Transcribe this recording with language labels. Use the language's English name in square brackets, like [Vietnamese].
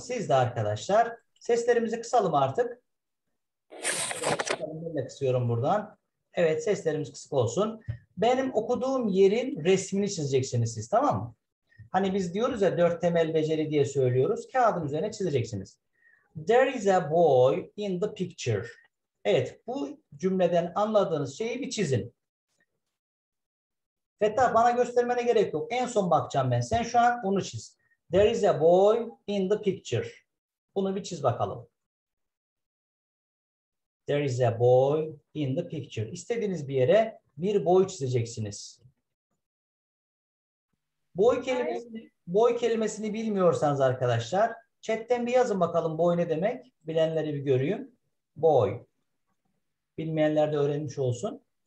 [Turkish] Siz de arkadaşlar seslerimizi kısalım artık. Ben de kısıyorum buradan. Evet seslerimiz kısık olsun. Benim okuduğum yerin resmini çizeceksiniz siz, tamam mı? Hani biz diyoruz ya dört temel beceri diye söylüyoruz. Kağıdın üzerine çizeceksiniz. [English] There is a boy in the picture. [Turkish] Evet, bu cümleden anladığınız şeyi bir çizin. Fetha, bana göstermene gerek yok. En son bakacağım ben. Sen şu an bunu çiz. [English] There is a boy in the picture. [Turkish] Bunu bir çiz bakalım. [English] There is a boy in the picture. [Turkish] İstediğiniz bir yere bir boy çizeceksiniz. Boy kelimesini bilmiyorsanız arkadaşlar, chatten bir yazın bakalım boy ne demek. Bilenleri bir göreyim. Boy. Bilmeyenler de öğrenmiş olsun.